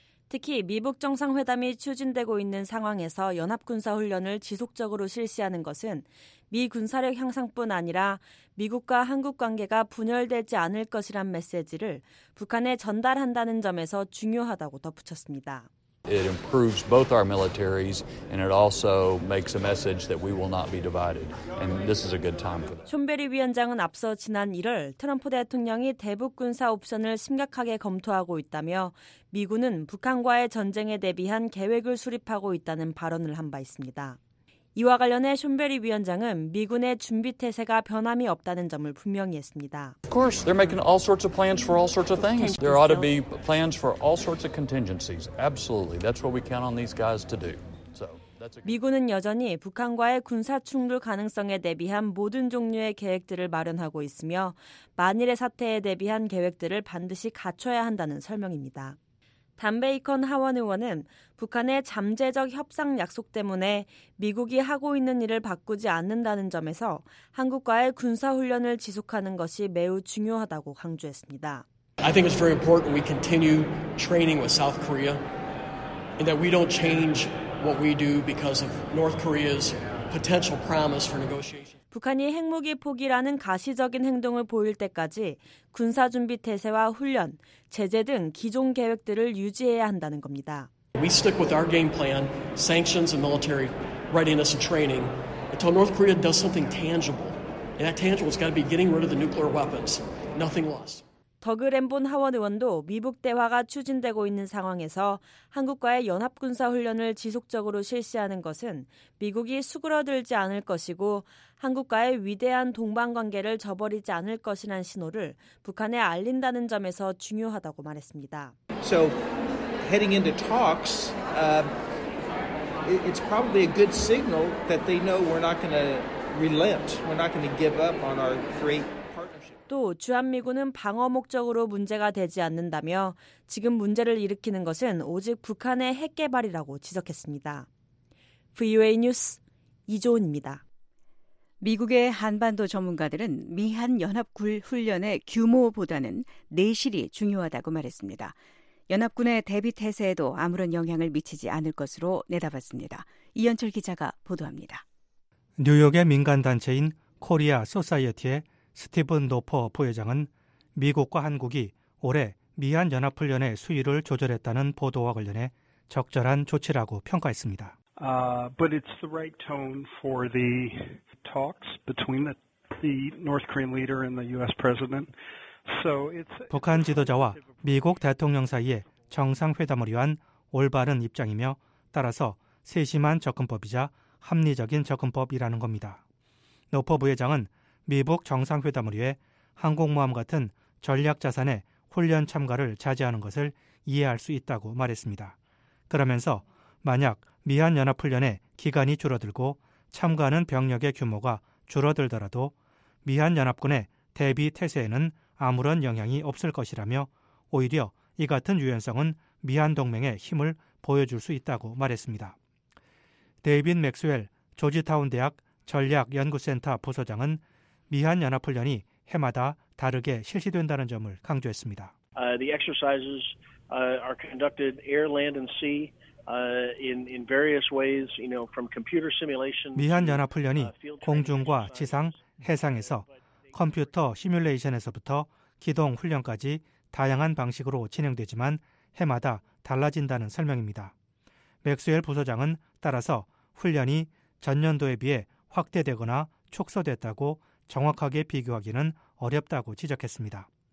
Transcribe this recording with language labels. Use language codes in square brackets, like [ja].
[ko] 특히 미북 정상회담이 추진되고 있는 상황에서 연합군사훈련을 지속적으로 실시하는 것은 미 군사력 향상뿐 아니라 미국과 한국 관계가 분열되지 않을 것이란 메시지를 북한에 전달한다는 점에서 중요하다고 덧붙였습니다. [en] It improves both our militaries and it also makes a message that we will not be divided. And this is a good time for that. [ko] 촌베리 위원장은 앞서 지난 1월 트럼프 대통령이 대북 군사 옵션을 심각하게 검토하고 있다며 미군은 북한과의 전쟁에 대비한 계획을 수립하고 있다는 발언을 한 바 있습니다. 이와 관련해 숀베리 위원장은 미군의 준비 태세가 변함이 없다는 점을 분명히 했습니다. [en] Of course, they're making all sorts of plans for all sorts of things. There ought to be plans for all sorts of contingencies. Absolutely, that's what we count on these guys to do. So, that's a [ko] 미군은 여전히 북한과의 군사 충돌 가능성에 대비한 모든 종류의 계획들을 마련하고 있으며 만일의 사태에 대비한 계획들을 반드시 갖춰야 한다는 설명입니다. 단 베이컨 하원 의원은 북한의 잠재적 협상 약속 때문에 미국이 하고 있는 일을 바꾸지 않는다는 점에서 한국과의 군사훈련을 지속하는 것이 매우 중요하다고 강조했습니다. [en] I think it's very important we continue training with South Korea and that we don't change what we do because of North Korea's potential promise for negotiation. [ko] 북한이 핵무기 포기라는 가시적인 행동을 보일 때까지 군사 준비 태세와 훈련, 제재 등 기존 계획들을 유지해야 한다는 겁니다. [en] We stick with our game plan, sanctions and military readiness and training until North Korea does something tangible. And that tangible's got to be getting rid of the nuclear weapons. Nothing less. [ko] 더그 램본 하원 의원도 미북 대화가 추진되고 있는 상황에서 한국과의 연합군사훈련을 지속적으로 실시하는 것은 미국이 수그러들지 않을 것이고 한국과의 위대한 동반관계를 저버리지 않을 것이란 신호를 북한에 알린다는 점에서 중요하다고 말했습니다. [en] So, heading into talks, it's probably a good signal that they know we're not going to relent. We're not going to give up on our great... [ko] 또 주한미군은 방어 목적으로 문제가 되지 않는다며 지금 문제를 일으키는 것은 오직 북한의 핵개발이라고 지적했습니다. VOA 뉴스 이조은입니다. 미국의 한반도 전문가들은 미한연합군훈련의 규모보다는 내실이 중요하다고 말했습니다. 연합군의 대비태세에도 아무런 영향을 미치지 않을 것으로 내다봤습니다. 이현철 기자가 보도합니다. 뉴욕의 민간단체인 코리아 소사이어티의 스티븐 노퍼 부회장은 미국과 한국이 올해 미한연합훈련의 수위를 조절했다는 보도와 관련해 적절한 조치라고 평가했습니다. [en] But it's the right tone for the talks between the North Korean leader and the U.S. president. So it's [ko] 북한 지도자와 미국 대통령 사이의 정상회담을 위한 올바른 입장이며 따라서 세심한 접근법이자 합리적인 접근법이라는 겁니다. 노퍼 부회장은 미북 정상회담을 위해 항공모함 같은 전략 자산의 훈련 참가를 자제하는 것을 이해할 수 있다고 말했습니다. 그러면서 만약 미한연합훈련의 기간이 줄어들고 참가하는 병력의 규모가 줄어들더라도 미한연합군의 대비 태세에는 아무런 영향이 없을 것이라며 오히려 이 같은 유연성은 미한동맹의 힘을 보여줄 수 있다고 말했습니다. 데이빈 맥스웰 조지타운대학 전략연구센터 부소장은 미한연합훈련이 해마다 다르게 실시된다는 점을 강조했습니다. [en] The exercises are conducted air, land, and sea in various ways, you know, from computer simulation. [ko] 미한 연합 훈련이 공중과 지상, 해상에서 컴퓨터 시뮬레이션에서부터 기동 훈련까지 다양한 방식으로 진행되지만 해마다 달라진다는 설명입니다. 맥스웰 부소장은 따라서 훈련이 전년도에 비해 확대되거나 축소됐다고 정확하게 비교하기는 어렵다고 지적했습니다.